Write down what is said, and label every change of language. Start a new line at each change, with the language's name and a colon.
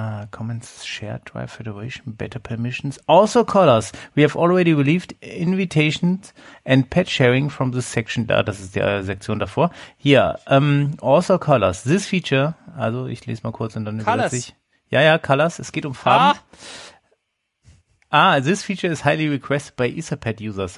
English: Comments, Shared Drive Federation, Better Permissions. Also Colors. We have already relieved invitations and patch sharing from this section.
German: Da, das ist die Sektion davor. Hier, also Colors.
English: This feature,
German: also ich lese mal kurz und dann übersetze ich. Ja, Colors. Es geht um Farben.
English: This feature is highly requested by Etherpad users.